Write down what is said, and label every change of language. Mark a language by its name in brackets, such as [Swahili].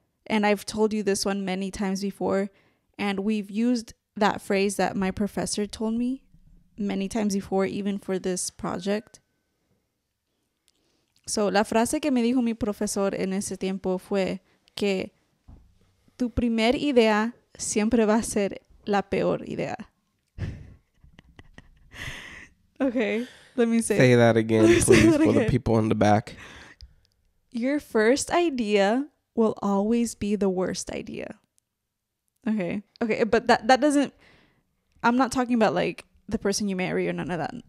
[English] And I've told you this one many times before. And we've used that phrase that my professor told me many times before, even for this project. [Spanish] So, la frase que me dijo mi profesor en ese tiempo fue que tu primer idea siempre va a ser la peor idea. [English] Okay, let me say that again, please, for the people in the back. Your first idea will always be the worst idea. Okay, but that doesn't... I'm not talking about, like, the person you marry or none of that.